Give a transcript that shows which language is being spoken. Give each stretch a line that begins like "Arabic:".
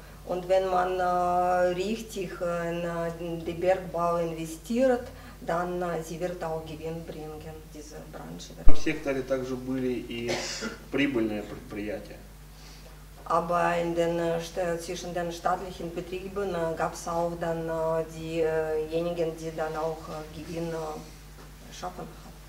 German: Und wenn man richtig in den Bergbau investiert, dann sie wird auch Gewinn bringen, diese Branche.
Russian: В секторе также были и прибыльные предприятия.
German: Aber in den zwischen den staatlichen Betrieben gab es auch dann diejenigen, die dann auch Gewinn schaffen.